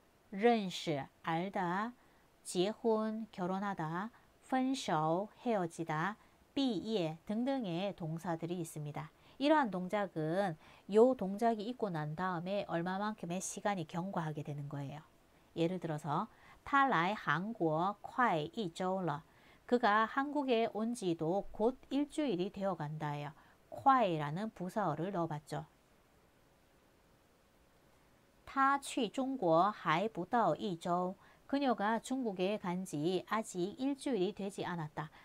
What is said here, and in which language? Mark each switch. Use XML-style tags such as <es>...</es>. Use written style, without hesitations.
<ko>认识, 알다, 结婚, 결혼하다, 分手, 헤어지다, 毕业 등등의 동사들이 있습니다. 이러한 동작은 요 동작이 있고 난 다음에 얼마만큼의 시간이 경과하게 되는 거예요. 예를 들어서</ko> <zh>他来韩国快一周了.</zh> <ko>그가 한국에 온 지도 곧 일주일이 되어 간다예요. 快라는 부사어를 넣어봤죠.</ko> <zh>他去中国还不到一周.</zh> <ko>그녀가 중국에 간 지 아직 일주일이 되지 않았다.</ko>